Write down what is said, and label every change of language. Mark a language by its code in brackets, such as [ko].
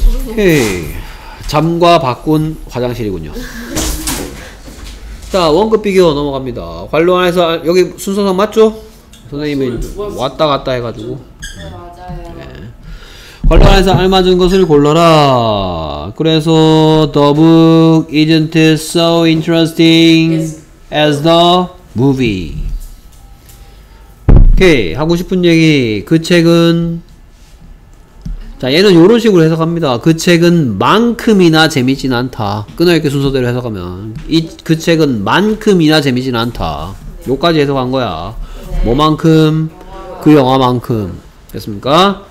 [ko] 오케이. 잠과 바꾼 화장실이군요. 자 원급 비교 넘어갑니다. 관로 안에서 여기 순서상 맞죠? 선생님이 왔다 갔다 해가지고. 관로 안에서 알맞은 것을 골라라. 그래서 [en] the book isn't so interesting as the movie. [ko] 오케이 하고 싶은 얘기 그 책은 자 얘는 요런 식으로 해석합니다. 그 책은 만큼이나 재밌진 않다. 끊어있게 순서대로 해석하면 그 책은 만큼이나 재밌진 않다. 요까지 해석한 거야. 뭐만큼? 그 영화만큼. 됐습니까?